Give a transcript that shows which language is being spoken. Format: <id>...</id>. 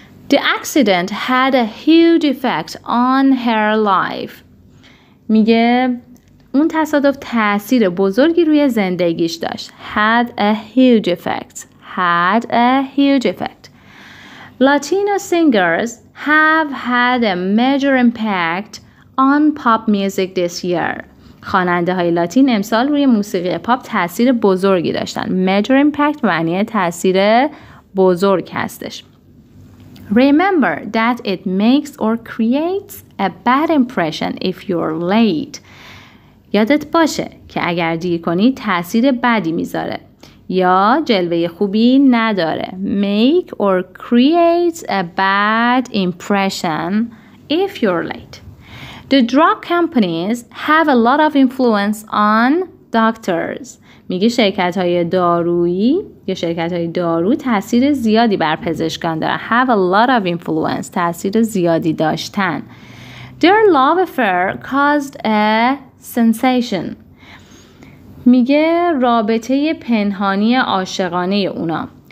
<en>The accident had a huge effect on her life.</en> <fa>میگه اون تصادف تأثیر بزرگی روی زندگیش داشت.</fa> <en>Had a huge effect. Had a huge effect. Latino singers have had a major impact on pop music this year.</en> <fa>خواننده های لاتین امسال روی موسیقی پاپ تأثیر بزرگی داشتن.</fa> <en>Major impact</en> <fa>معنی تأثیر بزرگ هستش.</fa> <en>Remember that it makes or creates a bad impression if you're late.</en> <fa>یادت باشه که اگر دیر کنی تأثیر بدی میذاره یا جلوه خوبی نداره.</fa> <en>Make or create a bad impression if you're late. The drug companies have a lot of influence on doctors.</en> <fa>میگه شرکت‌های دارویی یا شرکت‌های دارو تأثیر زیادی بر پزشکان دارن.</fa> <en>Have a lot of influence.</en> <fa>تأثیر زیادی داشتن.</fa> <en>Their love affair caused a sensation.</en> <fa>میگه رابطه پنهانی عاشقانه اونا.</fa>